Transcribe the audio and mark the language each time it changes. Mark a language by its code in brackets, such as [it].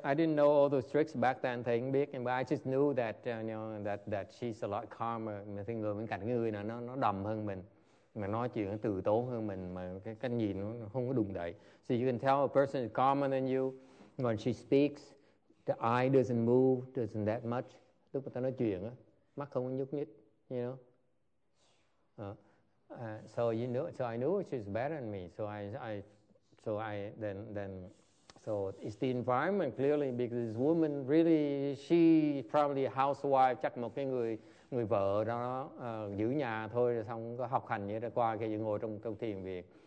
[en] I didn't know all those tricks back then. [vi] Thầy không biết, [en] but I just knew that that she's a lot calmer. [vi] Mình thấy người bên cạnh người này nó đầm hơn mình. Mà nói chuyện từ tốn hơn mình, mà cái nhìn nó không có đùng đẩy. [en] So you can tell a person is calmer than you. When she speaks, the eye doesn't move, doesn't that much. [vi] Lúc mà ta nói chuyện á, mắt không có nhúc nhích, you know. [en] So I knew she's better than me. So I then So it's the environment clearly, because this woman really, she probably a housewife, [vi] chắc một cái người người vợ đó giữ nhà thôi, rồi xong có học hành vậy đó qua khi ngồi trong câu thiền viện.